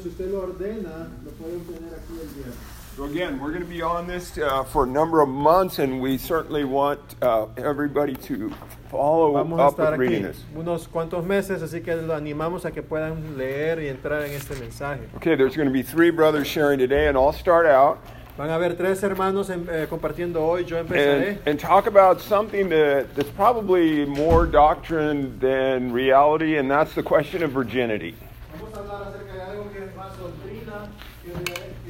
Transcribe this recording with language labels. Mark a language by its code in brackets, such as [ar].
[es] Si usted lo ordena, lo puede obtener aquí el día. [en] So again, we're going to be on this for a number of months, and we certainly want everybody to follow up with reading this. [es] Unos cuantos meses, así que lo animamos a que puedan leer y entrar en este mensaje. [en] Okay, there's going to be three brothers sharing today, and I'll start out. [es] Van a haber tres hermanos compartiendo hoy. Yo empezaré. [en] And talk about something that's probably more doctrine than reality, and that's the question of virginity. [es] Vamos a hablar acerca de algo que es más doctrina que de.